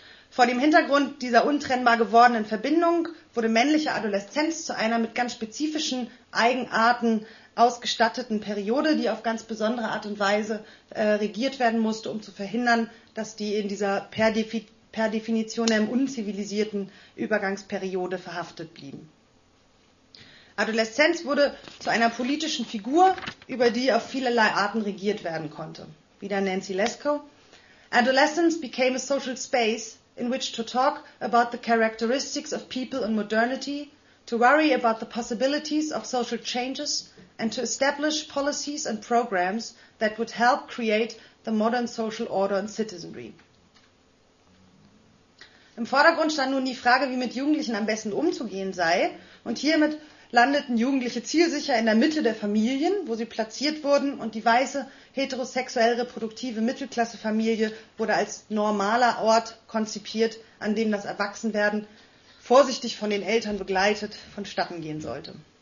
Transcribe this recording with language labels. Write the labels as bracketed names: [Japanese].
[German] Vor dem Hintergrund dieser untrennbar gewordenen Verbindung wurde männliche Adoleszenz zu einer mit ganz spezifischen Eigenarten ausgestatteten Periode, die auf ganz besondere Art und Weise regiert werden musste, um zu verhindern, dass die in dieser per Definition im unzivilisierten Übergangsperiode verhaftet blieben. Adoleszenz wurde zu einer politischen Figur, über die auf vielerlei Arten regiert werden konnte. Wieder Nancy Lesko. [English] Adolescence became a social space in which to talk about the characteristics of people in modernity, to worry about the possibilities of social changes and to establish policies and programs that would help create the modern social order and citizenry. [German] Im Vordergrund stand nun die Frage, wie mit Jugendlichen am besten umzugehen sei. Und hiermit landeten Jugendliche zielsicher in der Mitte der Familien, wo sie platziert wurden. Und die weiße, heterosexuell reproduktive Mittelklassefamilie wurde als normaler Ort konzipiert, an dem das Erwachsenwerden vorsichtig von den Eltern begleitet vonstatten gehen sollte.